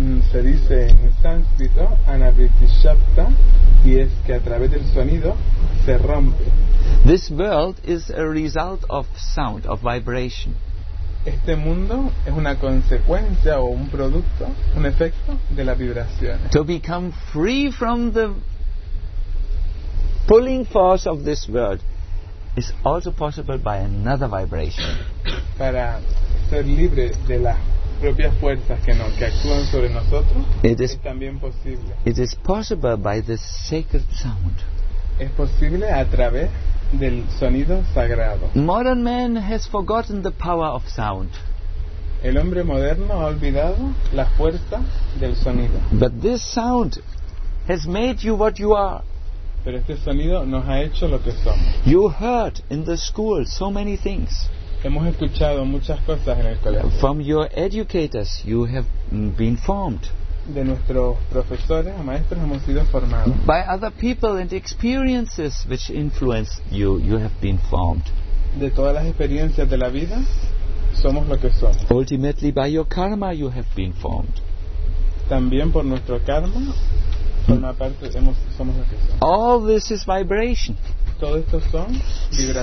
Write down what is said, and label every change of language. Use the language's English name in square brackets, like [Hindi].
[Spanish] Se dice en sánscrito anavritti shapta, y es que a través del sonido se rompe. [English] This world is a result of sound, of vibration. [Spanish] Este mundo es una consecuencia o un producto, un efecto de las vibraciones. [English] To become free from the pulling force of this world is also possible by another vibration. [Spanish] Para ser libre de las propias fuerzas que actúan sobre nosotros, es también posible. [English] It is possible by the sacred sound. [Spanish] Es posible a través del sonido sagrado. [English] Modern man has forgotten the power of sound. [Spanish] El hombre moderno ha olvidado la fuerza del sonido. [English] But this sound has made you what you are. [Spanish] Pero este sonido nos ha hecho lo que somos. [English] You heard in the school so many things. [Spanish] Hemos escuchado muchas cosas en el colegio. [English] From your educators, you have been formed. [Spanish] De nuestros profesores o maestros hemos sido formados. [English] By other people and experiences which influenced you, you have been formed. [Spanish] De todas las experiencias de la vida, somos lo que somos. [English] Ultimately, by your karma, you have been formed. [Spanish] También por nuestro karma, somos lo que somos. [English] All this is vibration. [Spanish] Todo esto son vibraciones.